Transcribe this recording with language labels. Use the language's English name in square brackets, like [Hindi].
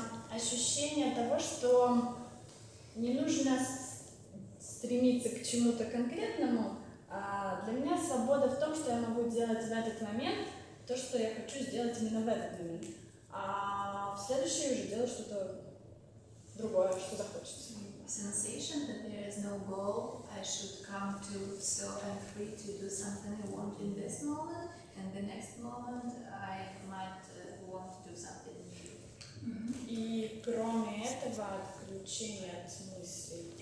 [Russian] Ощущение того, что не нужно стремиться к чему-то конкретному, а для меня свобода в том, что я могу делать в этот момент. То, что я хочу сделать именно в этот момент. А в следующий уже делать что-то другое, что захочется. [English] Sensation that there is no goal I should come to, so I'm free to do something I want in this moment, and the next moment I might want to do something new. Mm-hmm. [Russian] И кроме этого, отключение от мыслей.